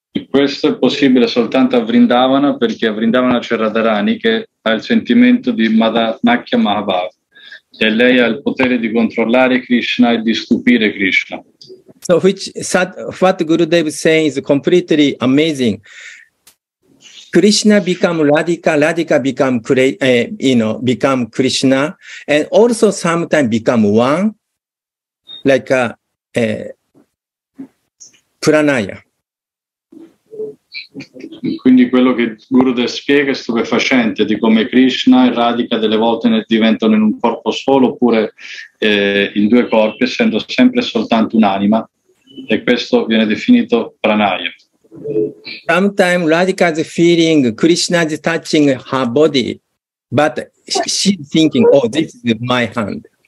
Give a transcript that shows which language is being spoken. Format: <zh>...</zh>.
<it>Questo è possibile soltanto a Vrindavana, perché a Vrindavana c'è Radharani che ha il sentimento di Madanakya Mahabhava e lei ha il potere di controllare Krishna e di stupire Krishna.</it> <en>So which what Gurudev is saying is completely amazing. Krishna become Radhika, Radhika become become Krishna, and also sometimes become one, like pranaya.</en> <it>Quindi quello che Gurudev spiega è stupefacente, di come Krishna e Radhika delle volte diventano in un corpo solo oppure in due corpi, essendo sempre soltanto un'anima, e questo viene definito pranaya.</it> <en>Sometimes Radhika is feeling Krishna is touching her body, but she's thinking, oh, this is my hand.</en>